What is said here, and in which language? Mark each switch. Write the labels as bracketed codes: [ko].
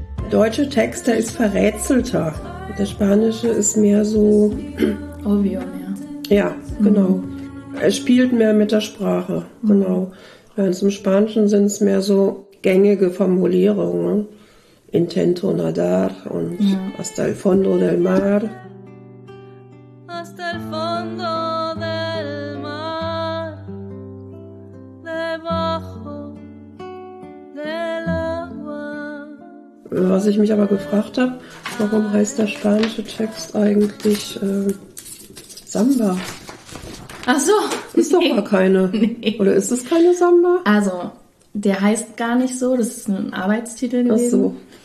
[de] Der deutsche Text, der ist verrätselter. Der spanische ist mehr so. [es] Obvio, [de] ja. Ja, genau. Mhm. Er spielt mehr mit der Sprache, genau. Mhm. Während es im Spanischen sind es mehr so gängige Formulierungen. [es] Intento nadar und hasta el fondo del mar. Hasta el fondo del mar, debajo del agua. [de] Was ich mich aber gefragt habe, warum heißt der spanische Text eigentlich Samba? Ach so. Ist doch gar keine. Oder ist es keine Samba? Also, der heißt gar nicht so, das ist ein Arbeitstitel gewesen. Ach so.